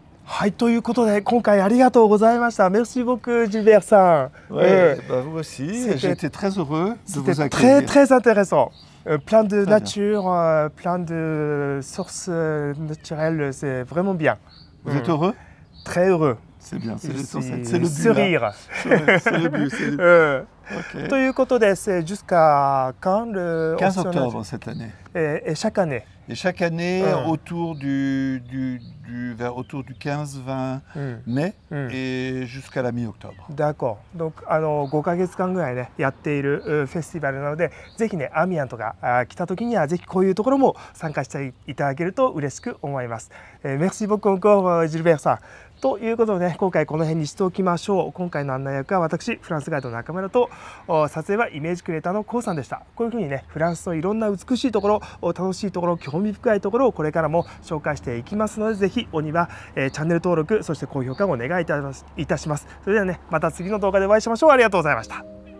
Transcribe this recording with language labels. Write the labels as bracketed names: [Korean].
[Japanese] はい、ということで今回ありがとうございました。 [French] Merci beaucoup, Gilbert さん。 Vous aussi. J'étais très heureux de vous accueillir. Très très intéressant. Plein de nature, plein de sources naturelles. C'est vraiment bien. Vous êtes heureux? Très heureux. C'est bien, c'est le but. Sourire. C'est le but. C'est le but. [Japanese] ということで、 [French] c'est jusqu'à quand le 15 octobre cette année. Et chaque année. Et chaque année, autour du 15-20 mai et jusqu'à la mi-octobre. D'accord. [Japanese] Donc, 5 ヶ月間ぐらいね、やっているフェスティバルなので、ぜひね、アミアンとか来た時には、ぜひこういうところも参加していただけると嬉しく思います。 [French] Merci beaucoup encore, Gilbert さん。 [Japanese] ということで、ね、今回この辺にしておきましょう。今回の案内役は私フランスガイド中村と、撮影はイメージクリエイターのコウさんでした。こういうふうにね、フランスのいろんな美しいところ、楽しいところ、興味深いところをこれからも紹介していきますので、ぜひお庭、チャンネル登録、そして高評価をお願いいたします。それではね、また次の動画でお会いしましょう。ありがとうございました。